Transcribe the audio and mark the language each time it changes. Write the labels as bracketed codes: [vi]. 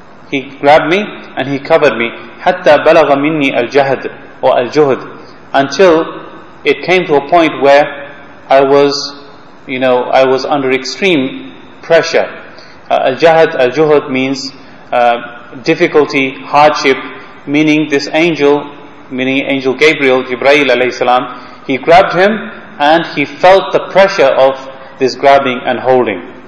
[en] He grabbed me and he covered me. [ar] حتى بلغ مني الجهد or الجهد. [en] Until it came to a point where I was, you know, I was under extreme pressure. Al-jahad, al-juhud means difficulty, hardship, meaning this angel, meaning angel Gabriel, Jibreel alayhi salam, he grabbed him and he felt the pressure of this grabbing and holding.